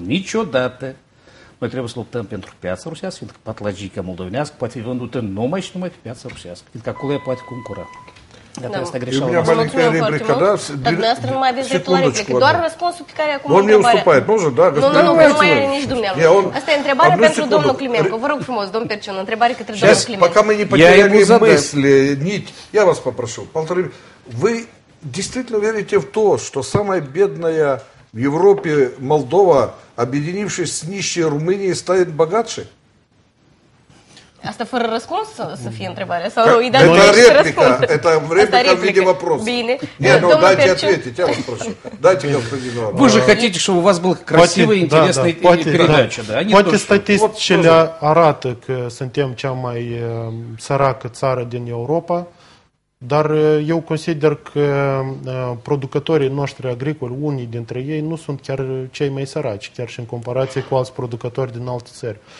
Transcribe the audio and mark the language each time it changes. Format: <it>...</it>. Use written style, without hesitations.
<ro>Niciodată noi trebuie să luptăm pentru piața rusească, pentru că patlagica moldovenească poate fi vândută numai și numai pe piața rusească, pentru că acolo ea poate concura. Da, asta greșeală. Eu mi-am maligat replica, da? Dar dumneavoastră nu mai aveți dreptul la replică. Doar răspunsul pe care acum întrebarea... Nu, nu, nu, nu mai are nici dumneavoastră. Asta e întrebarea pentru domnul Climenco. Vă rog frumos, domn Perciun, întrebare către domnul Climenco.</ro> <ru>Сейчас, пока мы не потеряли мысли, нить, я вас попрошу, полторы... Вы действительно верите в то, что самая бедная в Европе Молдова, объединившись с нищей Румынией, станет богаче?</ru> <ro>Asta fără răspuns să fie întrebare? Sau rău, îi dați răspuns?</ro> <ru>Это реплика, это реплика в виде вопроса.</ru> <ro>Bine.</ro> <ru>Не, ну дайте ответить, я вас прошу. Дайте господин Иванов. Вы же хотите, чтобы у вас была красивая, интересная передача.</ru> <ro>Поте статистичеля арата, că suntem cea mai săracă țară din Europa, dar eu consider că producătorii noștri agricoli, unii dintre ei, nu sunt chiar cei mai săraci, chiar și în comparație cu alți producători din alte țări.</ro>